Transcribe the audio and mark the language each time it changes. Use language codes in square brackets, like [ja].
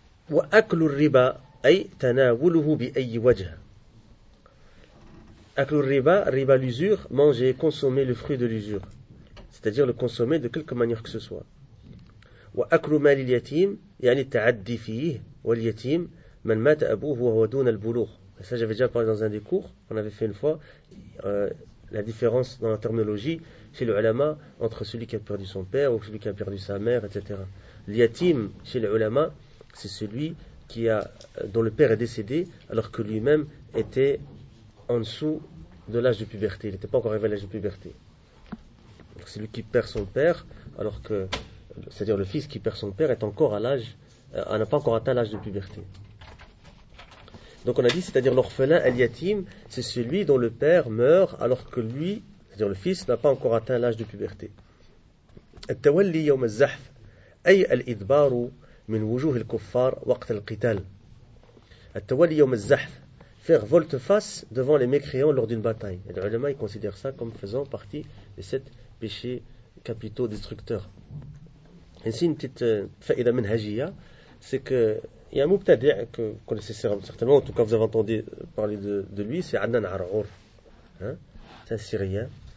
[ar] Wa aklu riba ay tanawuluhu bi ayyi wajh. [fr] Aklu riba, riba l'usure, manger, consommer le fruit de l'usure. C'est-à-dire le consommer de quelque manière que ce soit. [ar] وأكل مال اليتيم يعني التعدي فيه واليتيم من مات أبوه وهو دون البلوغ. [fr] Ça j'avais déjà parlé dans un des cours, on avait fait une fois la différence dans la terminologie chez les ulama entre celui qui a perdu son père ou celui qui a perdu sa mère, etc. اليتيم chez les ulama c'est celui qui a dont le père est décédé alors que lui-même était en dessous de l'âge de puberté, il n'était pas encore arrivé à l'âge de puberté. Donc celui qui perd son père alors que c'est-à-dire le fils qui perd son père est encore à l'âge, n'a pas encore atteint l'âge de puberté. Donc on a dit, c'est-à-dire l'orphelin, al-yatim, c'est celui dont le père meurt alors que lui, c'est-à-dire le fils, n'a pas encore atteint l'âge de puberté. [ar] التولي يوم الزحف أي الإدبار من وجوه الكفار وقت القتال. [fr] التولي يوم الزحف, faire volte-face devant les mécréants lors d'une bataille. Les ulama ils considèrent ça comme faisant partie des sept péchés capitaux destructeurs. Ainsi une petite faïda minhajia, c'est que il y a un mubtadi' que vous connaissez certainement, en tout cas vous avez entendu parler de lui, c'est Adnan Ar'ur, hein, c'est un Syrien.